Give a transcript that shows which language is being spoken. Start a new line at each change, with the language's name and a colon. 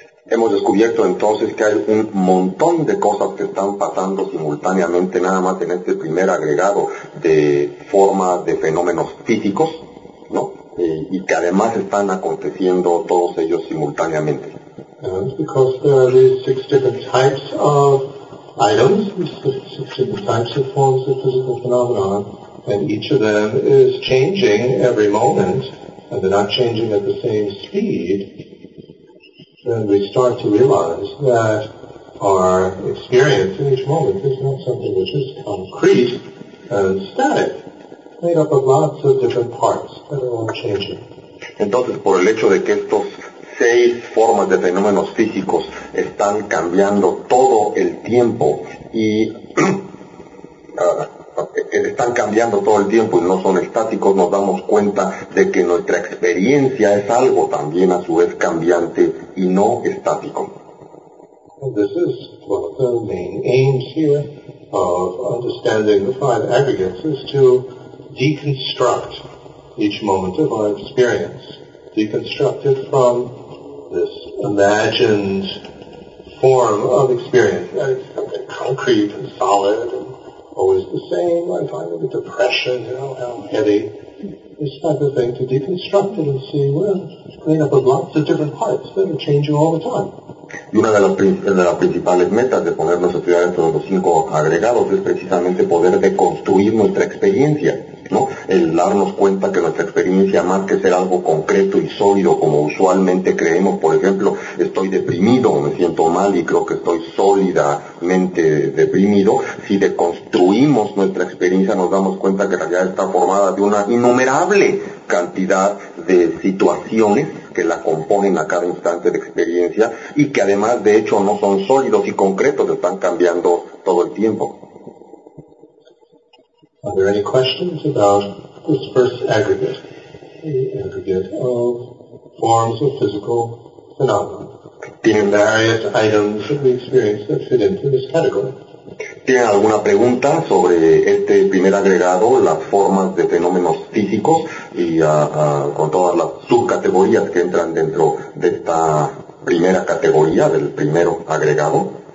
Spanish: Hemos descubierto entonces que hay un montón de cosas que están pasando simultáneamente nada más en este primer agregado de forma de fenómenos físicos, ¿no? Y que además están aconteciendo todos ellos simultáneamente.
English: And because there are these six different types of items, six different types of forms of physical phenomena, and each of them is changing every moment, and they're not changing at the same speed, then we start to realize that our experience in each moment is not something which is concrete and static, made up of lots of different parts that are all changing.
Spanish: Entonces, por el hecho de que estos seis formas de fenómenos físicos están cambiando todo el tiempo y están cambiando todo el tiempo y no son estáticos, nos damos cuenta de que nuestra experiencia es algo también a su vez cambiante y no estático.
English: And this is one of the main aims here of understanding the five aggregates is to deconstruct each moment of our experience, deconstruct it from this imagined form of experience that is something concrete and solid and always the same, I find it a depression, you know, how heavy. This type of thing, to deconstruct it and see, well, clean up of lots of different parts that are changing all the time.
Spanish: Y una de las principales metas de ponernos a estudiar dentro de los cinco agregados es precisamente poder deconstruir nuestra experiencia, ¿no? El darnos cuenta que nuestra experiencia, más que ser algo concreto y sólido como usualmente creemos, por ejemplo, estoy deprimido, me siento mal y creo que estoy sólidamente deprimido, si deconstruimos nuestra experiencia nos damos cuenta que en realidad está formada de una innumerable cantidad de situaciones que la componen a cada instante de experiencia y que además de hecho no son sólidos y concretos, están cambiando todo el tiempo.
English: Are there any questions about this first aggregate, the aggregate of forms of physical phenomena?
Spanish: ¿Tienen
English: various items of the experience that fit into this category?
Spanish: ¿Tienen alguna pregunta sobre este primer agregado, las formas de fenómenos físicos y con todas las subcategorías que entran dentro de esta primera categoría, del primero agregado?